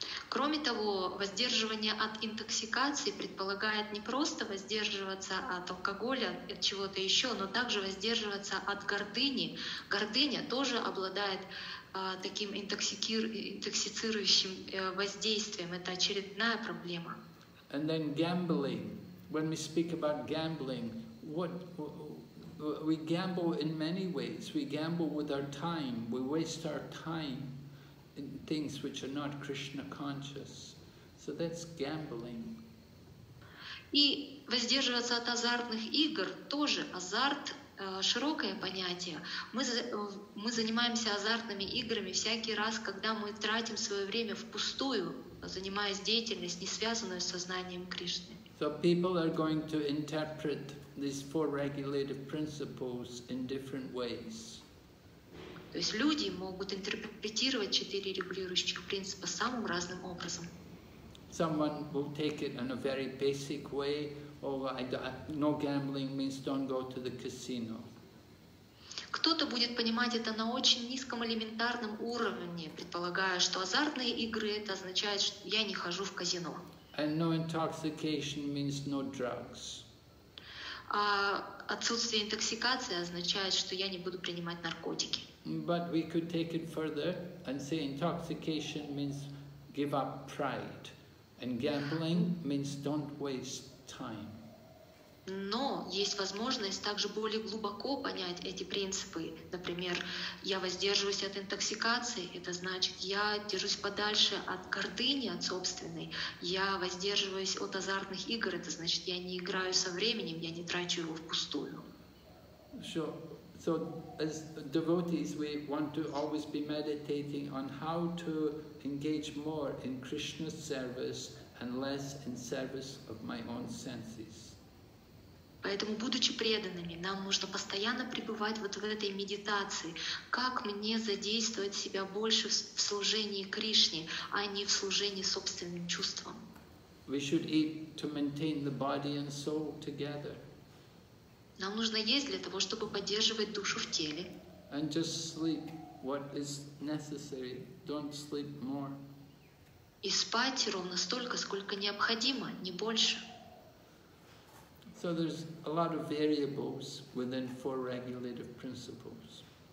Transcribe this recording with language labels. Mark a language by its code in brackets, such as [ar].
[ru] Кроме того, воздерживание от интоксикации предполагает не просто воздерживаться от алкоголя, от чего-то еще, но также воздерживаться от гордыни. Гордыня тоже обладает таким интоксицирующим воздействием. Это очередная проблема. [en] And then gambling. When we speak about gambling, what we gamble in many ways. We gamble with our time. We waste our time in things which are not Krishna conscious. So that's gambling. [ru] И воздерживаться от азартных игр тоже азарт широкое понятие. Мы занимаемся азартными играми всякий раз, когда мы тратим свое время впустую, занимаясь деятельностью, не связанную с сознанием Кришны. [en] So people are going to interpret these four regulative principles in different ways. [ru] То есть люди могут интерпретировать четыре регулирующих принципа самым разным образом. [en] Someone will take it in a very basic way, or no gambling means don't go to the casino. [ru] Кто-то будет понимать это на очень низком элементарном уровне, предполагая, что азартные игры это означает, что я не хожу в казино. [en] And no intoxication means no drugs. [ru] А отсутствие интоксикации означает, что я не буду принимать наркотики. [en] But we could take it further and say intoxication means give up pride, and gambling means don't waste time. [ru] Но есть возможность также более глубоко понять эти принципы. Например, я воздерживаюсь от интоксикации, это значит, я держусь подальше от гордыни, от собственной. Я воздерживаюсь от азартных игр, это значит, я не играю со временем, я не трачу его впустую. [en] So, as devotees, we want to always be meditating on how to engage more in Krishna's service and less in service of my own senses. [ru] Поэтому, будучи преданными, нам нужно постоянно пребывать вот в этой медитации. Как мне задействовать себя больше в служении Кришне, а не в служении собственным чувствам? [en] We should eat to maintain the body and soul together. [ru] Нам нужно есть для того, чтобы поддерживать душу в теле. [en] And just sleep what is necessary. Don't sleep more. [ru] И спать ровно столько, сколько необходимо, не больше. [en] So there's a lot of variables within four regulative principles.